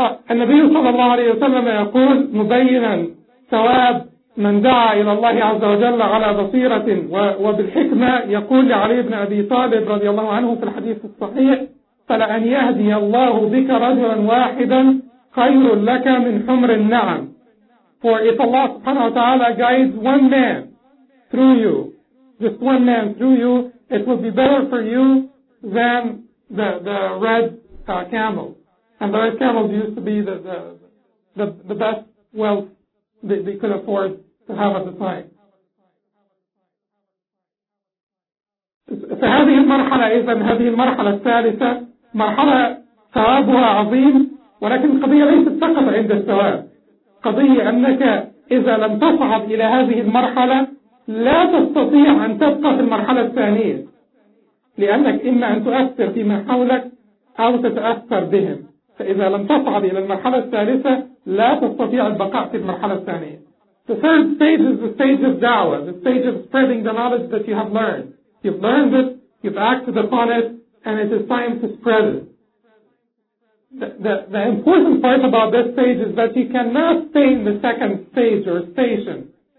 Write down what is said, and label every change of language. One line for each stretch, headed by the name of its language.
Arabic: النبي صلى الله عليه وسلم يقول مبينا ثواب من دعا إلى الله عز وجل على بصيرة وبالحكمة، يقول لعلي بن أبي طالب رضي الله عنه في الحديث الصحيح: فلأن يهدي الله بك رجلا واحدا خير لك من حمر النعم.
English: For if Allah
Arabic: سبحانه وتعالى
English: guides one man through you, just one man through you, it will be better for you than the red camel. And the red camels used to be the best wealth they could afford to have at the time.
Arabic: فهذه المرحلة إذن هذه المرحلة الثالثة مرحلة ثوابها عظيم، ولكن القضية ليست فقط عند الثواب. قضية أنك إذا لم تصعد إلى هذه المرحلة لا تستطيع أن تبقى في المرحلة الثانية، لأنك إما أن تؤثر فيما حولك أو تتأثر بهم. فإذا لم تصعد إلى المرحلة الثالثة لا تستطيع البقاء في المرحلة الثانية.
English: The third stage is the stage of da'wah, the stage of spreading the knowledge that you have learned. You've learned it, you've acted upon it, and it is time to spread it. The important part about this stage is that you cannot stay in the second stage or station.